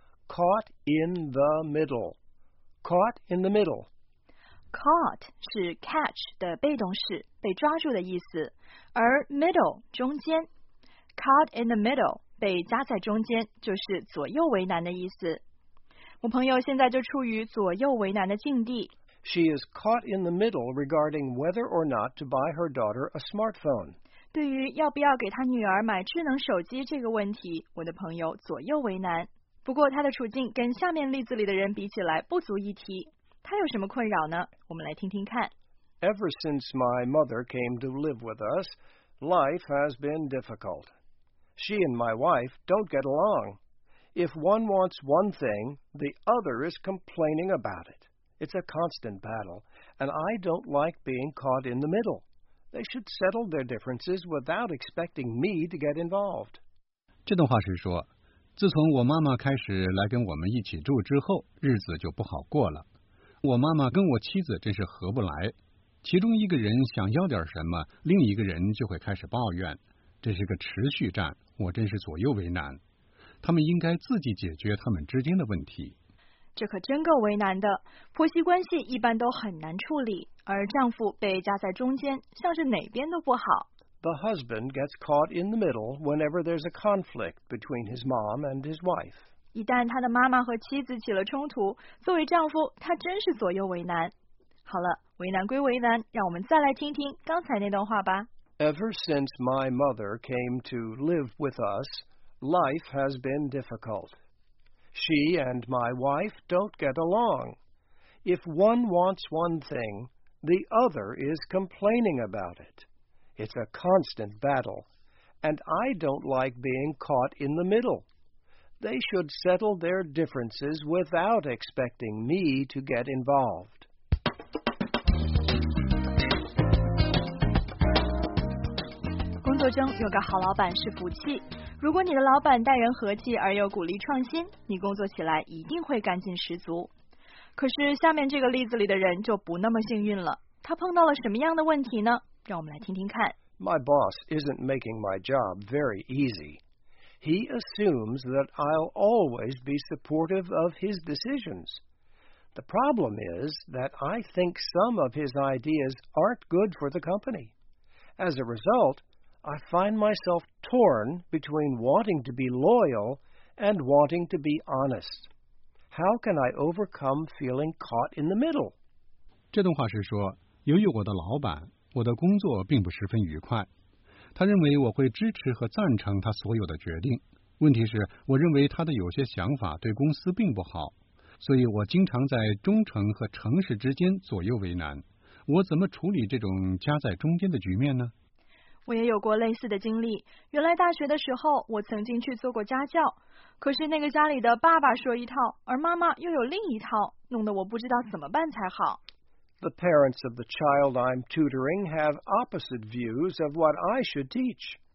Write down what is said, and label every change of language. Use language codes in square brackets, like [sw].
[en] Caught in the middle. Caught in the middle. [zh] Caught 是 catch 的被动式，被抓住的意思，而 middle 中间 [en] Caught in the middle [zh] 被夹在中间就是左右为难的意思。我朋友现在就处于左右为难的境地。 [en] She is caught in the middle regarding whether or not to buy her daughter a smartphone. [zh] 对于要不要给她女儿买智能手机这个问题，我的朋友左右为难。不过她的处境跟下面例子里的人比起来不足一提。她有什么困扰呢？我们来听听看。 [en] Ever since my mother came to live with us, life has been difficult. She and my wife don't get along. If one wants one thing, the other is complaining about it. It's a constant battle, and I don't like being caught in the middle. They should settle their differences without expecting me to get involved. [zh] 这段话是说，自从我妈妈开始来跟我们一起住之后，日子就不好过了。我妈妈跟我妻子真是合不来，其中一个人想要点什么，另一个人就会开始抱怨。这是个持续战，我真是左右为难。他们应该自己解决他们之间的问题。这可真够为难的。婆媳关系一般都很难处理，而丈夫被夹在中间，像是哪边都不好。 [en] The husband gets caught in the middle whenever there's a conflict between his mom and his wife. [zh] 一旦他的妈妈和妻子起了冲突，作为丈夫，他真是左右为难。好了，为难归为难，让我们再来听听刚才那段话吧。 [en] Ever since my mother came to live with us, life has been difficult. She and my wife don't get along. If one wants one thing, the other is complaining about it. It's a constant battle, and I don't like being caught in the middle. They should settle their differences without expecting me to get involved. [zh] 工作中有个好老板是福气，如果你的老板待人和气而又鼓励创新，你工作起来一定会干劲十足。可是下面这个例子里的人就不那么幸运了，他碰到了什么样的问题呢？让我们来听听看。 [en] My boss isn't making my job very easy. He assumes that I'll always be supportive of his decisions. The problem is that I think some of his ideas aren't good for the company. As a result, I find myself torn between wanting to be loyal and wanting to be honest. How can I overcome feeling caught in the middle? [zh] 这段话是说，由于我的老板，我的工作并不十分愉快，他认为我会支持和赞成他所有的决定。问题是，我认为他的有些想法对公司并不好，所以我经常在忠诚和诚实之间左右为难。我怎么处理这种夹在中间的局面呢？我也有过类似的经历。原来大学的时候，我曾经去做过家教，可是那个家里的爸爸说一套，而妈妈又有另一套，弄得我不知道怎么办才好。 [en] The parents of the child I'm tutoring have opposite views of what I should teach.